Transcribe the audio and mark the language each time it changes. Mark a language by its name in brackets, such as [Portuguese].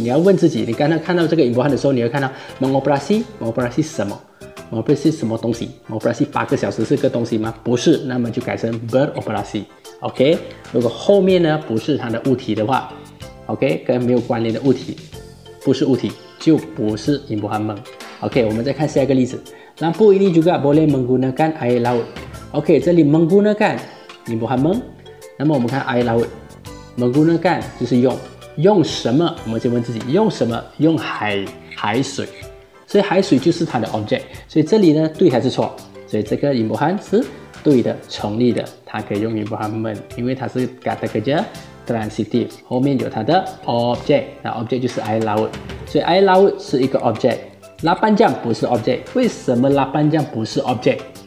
[Chinese] 你要问自己，你刚刚看到这个 imbuhan 的时候，你要看到 mengoperasi 是什么？ operasi 什么东西 ？operasi 八个小时是个东西吗？不是，那么就改成 beroperasi。 OK， 如果后面呢不是它的物体的话 ，OK， 跟没有关联的物体，不是物体就不是 imbuhanmen。 [Malay] OK， [Chinese] 我们再看下一个例子 [Malay] ，lampu ini juga boleh menggunakan air laut。 [Chinese] OK， 这里 menggunakan imbuhanmen， 那么我们看 air laut， menggunakan 就是用什么？我们就问自己，用什么？用海水。所以海水就是它的 object， 所以这里呢对还是错？所以这个 imbuhan 是对的，成立的，它可以用 imbuhanmen， 因为它是 kata kerja transitive， 后面有它的 object， 那 object 就是 air laut， 所以 air laut 是一个 object， 8 jam 不是 object， 为什么8 jam 不是 object？